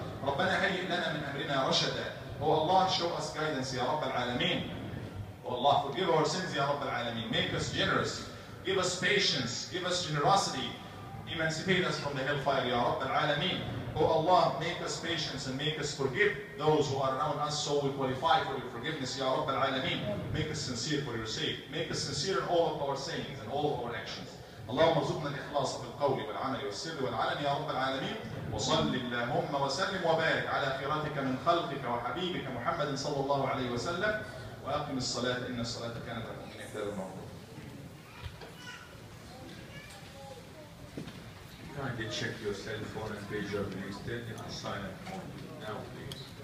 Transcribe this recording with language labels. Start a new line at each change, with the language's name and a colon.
Arabic: ربنا هيئ لنا من أمرنا رشدا. هو الله
English: show us guidance
Arabic: يا رب العالمين. هو الله
English: forgive our sins
Arabic: يا رب العالمين.
English: Make us generous. Give us patience. Give us generosity. Emancipate us from the hellfire
Arabic: يا رب العالمين.
English: هو الله make us patience and make us forgive those who are around us so we qualify for your forgiveness يا رب العالمين. Make us sincere for your sake. Make us sincere in all of our sayings and all of our actions.
Arabic: اللهم ارزقنا الإخلاص في القول والعمل والسر والعلن يا رب العالمين. وصل اللهم وسلم وبارك على خيرتك من خلقك وحبيبك محمد صلى الله عليه وسلم، وأقم الصلاة إن الصلاة كانت على المؤمنين كتابا موقوتا.
English: Kindly check your cell phone and pager, please. Turn it on silent mode now, please.